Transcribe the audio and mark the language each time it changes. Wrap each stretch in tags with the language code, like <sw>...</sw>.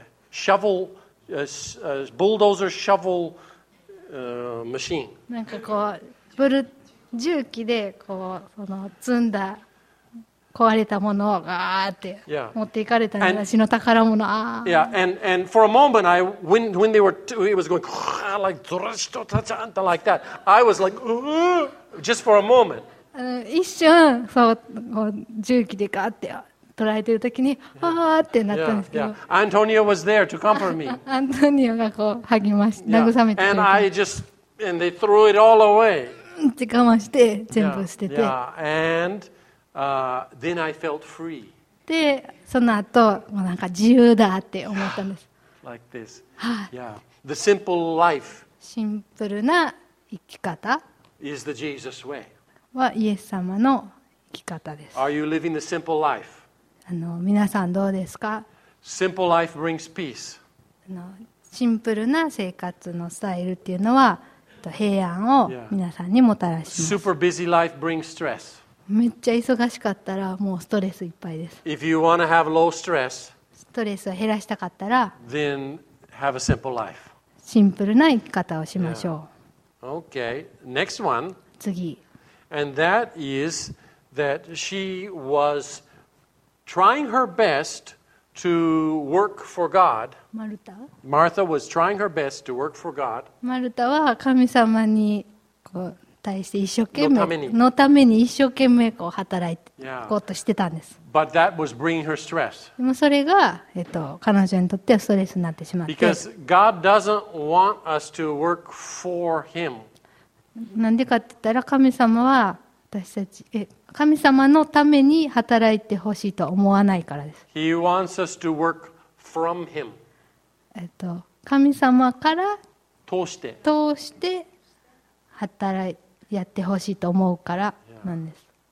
<en>Shovel, bulldozer shovel machine.</en> <ja>なんかこう、重機でこう、その積んだ壊れたものをガーって持っていかれた私の宝物。</ja> <en>Yeah, and for a moment, I when they were it was going like</en> <ja>ずらしとたちゃんと</ja> <en>like that. I was like, just for a moment.</en> <ja>一瞬そうこう重機でガーって捉えてる時に、ああってなったんですけど。</ja> <en>Yeah, Antonio was there to comfort me.</en> <ja>Antonio がこう励まし、慰めてくれた。</ja> <en>And I just and they threw it all away.</en> <ja>って我慢して全部捨てて。</ja> <en>And then I felt free.</en> <ja>で、その後、もうなんか自由だって思ったんです。</ja> <en>Like this. Yeah. The simple life.</en> <ja>シンプルな生き方。</ja> <en>Is the Jesus way.</en> <ja>はイエス様の生き方です。</ja> <en>Are you living the simple life?</en> <ja>皆さんどうですか?</ja> <en>Simple life brings peace.</en> <ja>シンプルな生活のスタイルっていうのは、平安を皆さんにもたらします。</ja> <en>Super busy life brings stress.</en> <ja>めっちゃ忙しかったらもうストレスいっぱいです。</ja> <en>If you want to have low stress,</en> <ja>ストレスを減らしたかったら、</ja> <en>then have a simple life.</en> <ja>シンプルな生き方をしましょう。</ja> <en>Yeah. Okay, next one.</en> <ja>次。</ja> <en>And that is that she was trying her best to work for God. Martha was trying her best to work for God.</en> <ja>マルタは神様にこう。対して一生懸命のために一生懸命こう働いていこうとしてたんです。</ja> <en>But that was bringing her stress.</en> <ja>でもそれが彼女にとってはストレスになってしまって。</ja> <en>Because God doesn't want us to work for Him.</en> <ja>なんでかって言ったら神様は私たち神様のために働いてほしいと思わないからです。</ja> <en>He wants us to work from Him.</en> <ja>神様から通して働いてやってほしいと思うからなんです。</ja>